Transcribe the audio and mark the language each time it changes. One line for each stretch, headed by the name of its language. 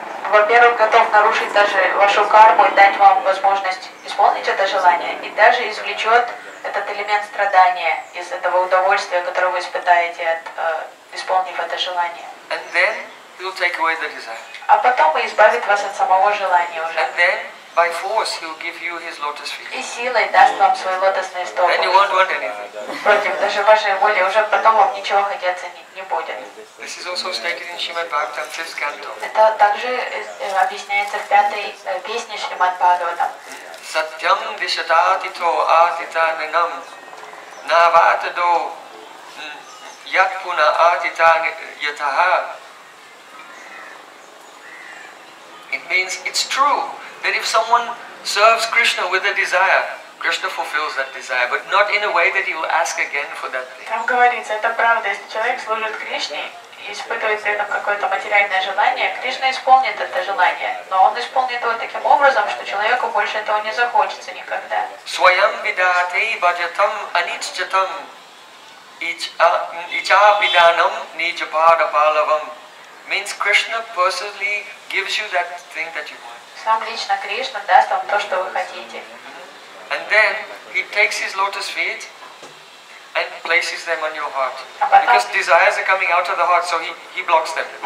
Russian: Во-первых, готов нарушить даже вашу карму и дать вам возможность исполнить это желание, и даже извлечет этот элемент страдания из этого удовольствия, которое вы испытаете от исполнив это желание.
English: And then he'll take away the desire.
Russian: А потом и избавит вас от самого желания уже.
English: And then by force he'll give you his lotus feet.
Russian: И силой даст вам свои лотосные стопы.
English: And you won't want anything.
Russian: Против даже вашей воли уже потом вам ничего хотеться не будет.
English: This is also stated in Shrimad Bhagavatam, 5th canto.
Russian: Это также объясняется в пятой песне Шримад Бхагаватам.
Sanskrit: Satyam visatatito atitaninam navatado yatpuna atitani yataha.
English: It means it's true that if someone serves Krishna with a desire, Krishna fulfills that desire, but not in a way that he will ask again for that thing.
Russian: Там говорится, это правда, если человек служит Кришне и испытывает при этом какое-то материальное желание, Кришна исполнит это желание, но он исполнит его таким образом, что человеку больше этого не захочется никогда.
Sanskrit: Swayam vidate bhajatam anichchatam icha pidanam nijapada palavam.
English: Means Krishna personally gives you that thing that you want.
Russian: Сам лично Кришна даст вам то, что вы хотите.
English: And then he takes his lotus feet and places them on your heart. Because desires are coming out of the heart, so he blocks them.